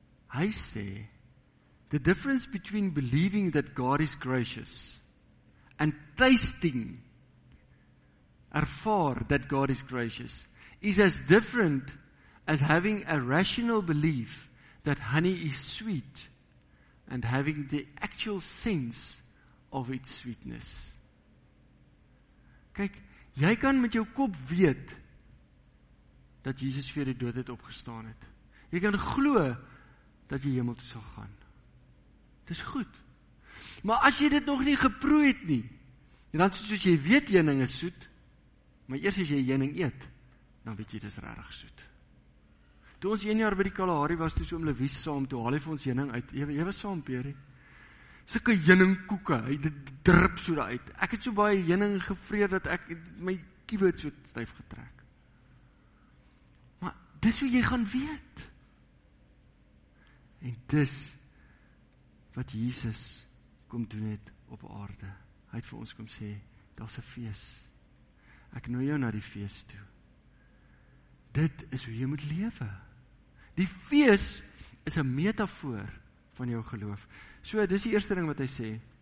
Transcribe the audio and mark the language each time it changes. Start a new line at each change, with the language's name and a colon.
Afrikaans: Hy sê,
English: the difference between believing that God is gracious and tasting, ervaar that God is gracious, is as different as having a rational belief that honey is sweet and having the actual sense of its sweetness.
Afrikaans: Kyk, jy kan met jou kop weet dat Jesus vir die dood het opgestaan het. Jy kan glo dat jy hemel toe sal gaan. Dis goed. Maar as jy dit nog nie geproe het nie, en dan soos jy weet heuning is soet, maar eers as jy heuning eet, dan weet jy dis regtig soet. Toe ons 1 jaar by die Kalahari was, toe so om Lewis saam, toe haal hy vir ons heuning uit, ewe saam, Perie. Sulke heuningkoeke, hy drip so daar uit. Ek het so baie heuning gevreer, dat ek my kiewe het so styf getrek. Maar dis hoe jy gaan weet. En dis wat Jesus kom doen het op aarde. Hy het vir ons kom sê, daar's 'n fees. Ek nooi jou na die fees toe. Dit is hoe jy moet lewe. Die fees is 'n metafoor van jou geloof. So, dis die eerste ding wat hy sê.